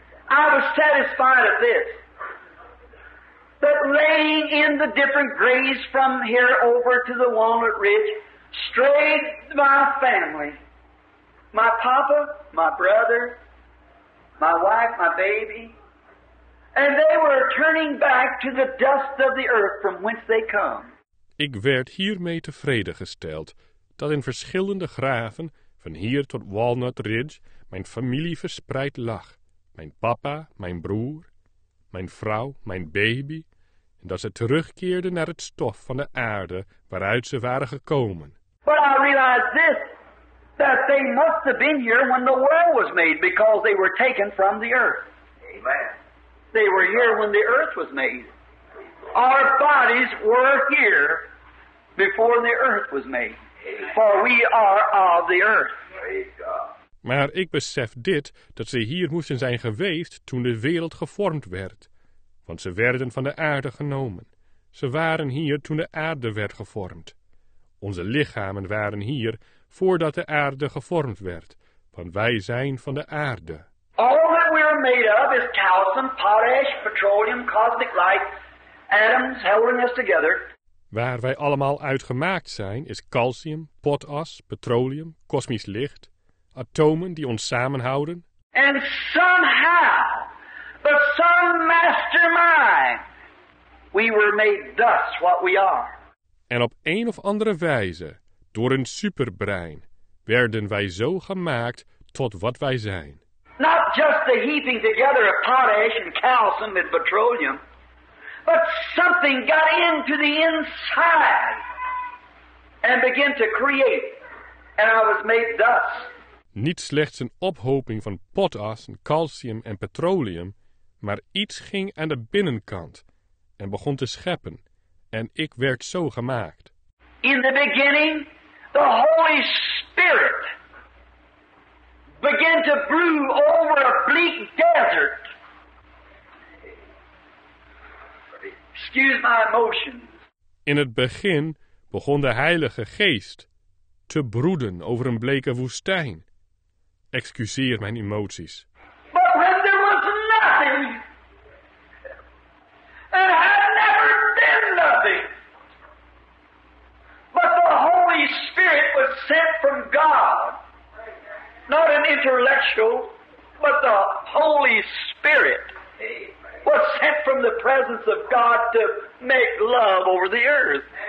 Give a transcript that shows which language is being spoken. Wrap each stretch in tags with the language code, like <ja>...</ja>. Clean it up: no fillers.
<en>I was satisfied of this, that laying in the different graves from here over to the Walnut Ridge, straight my family, my papa, my brother, my wife, my baby, and they were turning back to the dust of the earth from whence they come.</en> <nl>Ik werd hiermee tevreden gesteld dat in verschillende graven, van hier tot Walnut Ridge, mijn familie verspreid lag. Mijn papa, mijn broer, mijn vrouw, mijn baby. En dat ze terugkeerden naar het stof van de aarde waaruit ze waren gekomen.</nl> <en>But I realized this, that they must have been here when the world was made, because they were taken from the earth. Amen. They were here when the earth was made. Our bodies were here before the earth was made. For we are of the earth. Praise God.</en> <nl>Maar ik besef dit, dat ze hier moesten zijn geweest toen de wereld gevormd werd. Want ze werden van de aarde genomen. Ze waren hier toen de aarde werd gevormd. Onze lichamen waren hier voordat de aarde gevormd werd. Want wij zijn van de aarde.</nl> <en>All that we are made of is calcium, potash, petroleum, cosmic light, atoms holding us together.</en> <nl>Waar wij allemaal uit gemaakt zijn is calcium, potas, petroleum, kosmisch licht, atomen die ons samenhouden.</nl> <en>And somehow, but some mastermind, we were made thus what we are.</en> <nl>En op een of andere wijze, door een superbrein, werden wij zo gemaakt tot wat wij zijn.</nl> <en>Not just the heaping together of potash and calcium and petroleum, but something got into the inside and began to create, and I was made thus.</en> <nl>Niet slechts een ophoping van potas en calcium en petroleum, maar iets ging aan de binnenkant en begon te scheppen, en ik werd zo gemaakt.</nl> <en>In the beginning, the Holy Spirit began to brew over a bleak desert. Excuse my emotions.</en> <nl>In het begin begon de Heilige Geest te broeden over een bleke woestijn. Excuseer mijn emoties.</nl> <en>But when there was nothing, there had never been nothing. But the Holy Spirit was sent from God. Not an intellectual, but the Holy Spirit was sent from the presence of God to make love over the earth.</en>